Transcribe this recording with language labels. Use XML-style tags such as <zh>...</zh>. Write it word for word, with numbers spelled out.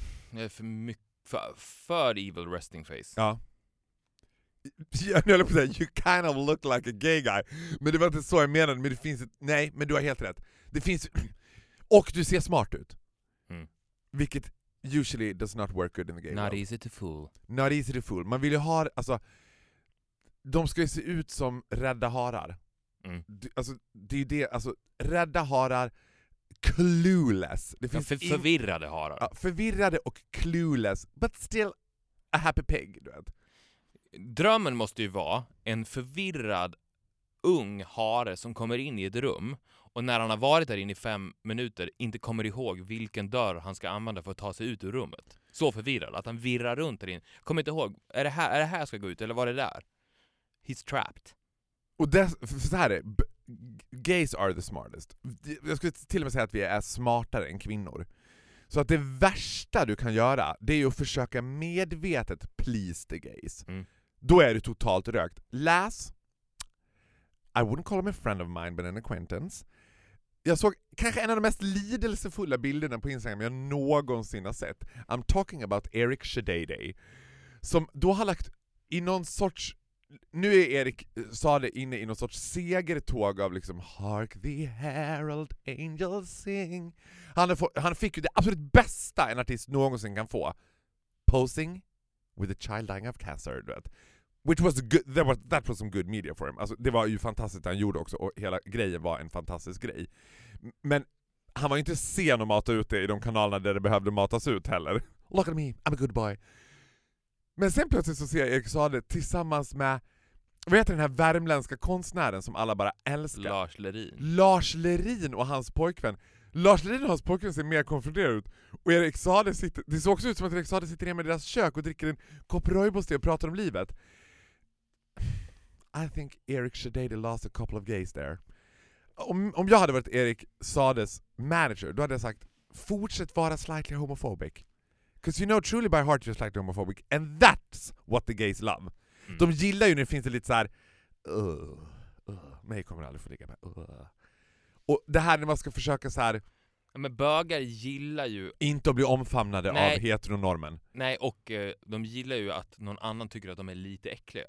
<sv>Jag är för, mycket, för, för evil resting face. Ja. Jag höll på att säga, you kind of look like a gay guy. Men det var inte så jag menade. Men det finns ett, nej, men du har helt rätt. Det finns... Och du ser smart ut. Mm.</sv> <en>Vilket usually does not work good in the gay Not world. easy to fool.</en> <sv>Not easy to fool. Man vill ju ha... Alltså, de ska ju se ut som rädda harar. Mm. Det, alltså, det är ju det. Alltså, rädda harar, clueless. Det Ja, finns för, in- förvirrade harar. ja, förvirrade och clueless.</sv> <en>But still a happy pig, du vet.</en> <sv>Drömmen måste ju vara en förvirrad ung hare som kommer in i ett rum och när han har varit där inne i fem minuter inte kommer ihåg vilken dörr han ska använda för att ta sig ut ur rummet. Så förvirrad att han virrar runt där inne. Kommer inte ihåg, är det här, är det här jag ska gå ut eller var det där?</sv> <en>He's trapped.</en> <sv>Och dess, för så här är det, b- gays are the smartest. Jag skulle till och med säga att vi är smartare än kvinnor. Så att det värsta du kan göra, det är ju att försöka medvetet please the gays. Mm. Då är du totalt rökt. Läs.</sv> <en>I wouldn't call him a friend of mine, but an acquaintance.</en> <sv>Jag såg kanske en av de mest lidelsefulla bilderna på Instagram jag någonsin har sett.</sv> <en>I'm talking about Eric Shadede.</en> <sv>Som då har lagt i någon sorts... Nu är Erik eh, sa det inne i någon sorts segertåg av liksom Hark the Herald Angels Sing. Han, har få, han fick ju det absolut bästa en artist någonsin kan få.</sv> <en>Posing with a child dying of cancer, du vet. Which was good, that was, that was some good media for him.</en> <sv>Alltså, det var ju fantastiskt det han gjorde också och hela grejen var en fantastisk grej. M- Men han var ju inte sen att mata ut det i de kanalerna där det behövde matas ut heller. Look at me, I'm a good boy. Men sen plötsligt så ser jag Erik Saade tillsammans med, vad heter den här värmländska konstnären som alla bara älskar? Lars Lerin. Lars Lerin och hans pojkvän. Lars Lerin och hans pojkvän ser mer konfronterade ut. Och Erik Saade sitter, det ser också ut som att Erik Saade sitter hemma i deras kök och dricker en kopp rooibos-te och pratar om livet.</sv> <en>I think Eric Shadede lost a couple of gays there.</en> <sv>Om, om jag hade varit Erik Saades manager, då hade jag sagt fortsätt vara slightly homophobic.</sv> <en>Because you know truly by heart you're slightly homophobic. And that's what the gays love.</en> <sv>Mm. De gillar ju när det finns det lite så här. Uh, uh, mig kommer aldrig få ligga med. Uh. Och det här när man ska försöka så här Ja, men bögar gillar ju, inte att bli omfamnade Nej. av heteronormen. nej och eh, de gillar ju att någon annan tycker att de är lite äckliga.</sv>